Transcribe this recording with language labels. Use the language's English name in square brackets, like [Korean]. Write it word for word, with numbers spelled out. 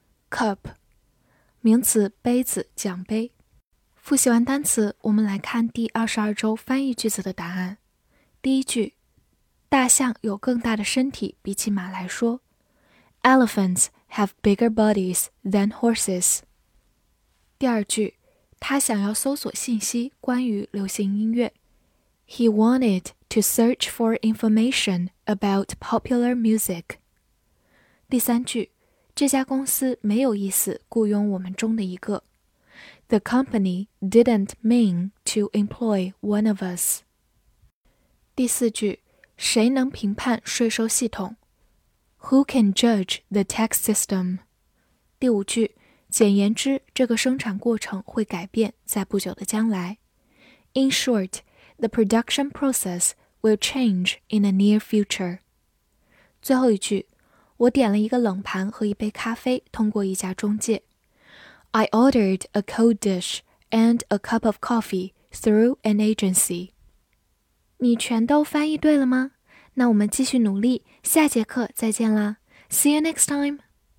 [Chinese] cup, 名词杯子奖杯复习完单词，我们来看第二十二周翻译句子的答案。第一句，大象有更大的身体，比起马来说 [English] Elephants have bigger bodies than horses. [Chinese] 第二句，他想要搜索信息关于流行音乐。 [English] He wanted to search for information about popular music. [Chinese] 第三句，这家公司没有意思雇佣我们中的一个。 [English] The company didn't mean to employ one of us. [Chinese] 第四句，谁能评判税收系统？ [English] Who can judge the tax system? [Chinese] 第五句，简言之，这个生产过程会改变，在不久的将来。 [English] In short, the production process will change in the near future. [Chinese] 最后一句，我点了一个冷盘和一杯咖啡，通过一家中介。 [English] I ordered a cold dish and a cup of coffee through an agency. [Chinese] 你全都翻译对了吗？那我们继续努力，下节课再见啦。 [English] See you next time.